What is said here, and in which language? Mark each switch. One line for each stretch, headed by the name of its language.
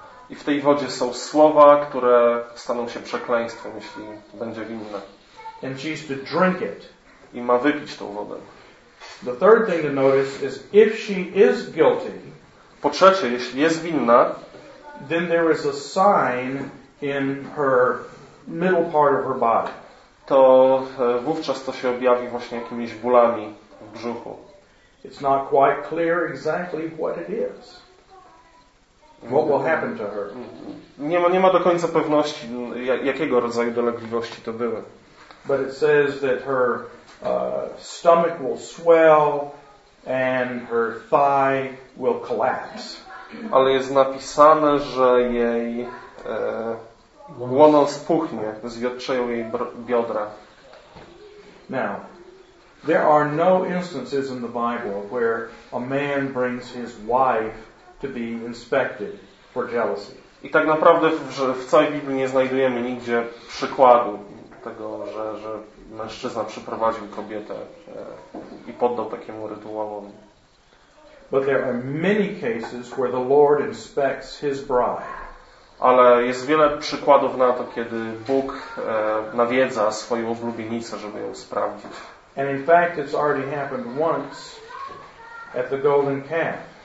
Polish: I w tej wodzie są słowa, które staną się przekleństwem, jeśli będzie winna.
English: And she's to drink it.
Polish: I ma wypić tą wodę.
English: The third thing to notice is if she is guilty.
Polish: Po trzecie, jeśli jest winna,
English: then there is a sign in her middle part of her body.
Polish: To wówczas to się objawi właśnie jakimiś bólami w brzuchu.
English: It's not quite clear exactly what it is. What will happen to her?
Polish: Nie ma do końca pewności, jakiego rodzaju dolegliwości to były.
English: But it says that her stomach will swell and her thigh will collapse.
Polish: Ale jest napisane, że jej łono spuchnie, zwiotczeją jej biodra.
English: Now, there are no instances in the Bible where a man brings his wife to be inspected for jealousy.
Polish: I tak naprawdę w całej Biblii nie znajdujemy nigdzie przykładu tego, że mężczyzna przyprowadził kobietę i poddał takiemu rytuałowi.
English: But there are many cases where the Lord inspects his bride.
Polish: Ale jest wiele przykładów na to, kiedy Bóg nawiedza swoją oblubienicę, żeby ją sprawdzić.
English: And in fact it's already happened once at the golden calf.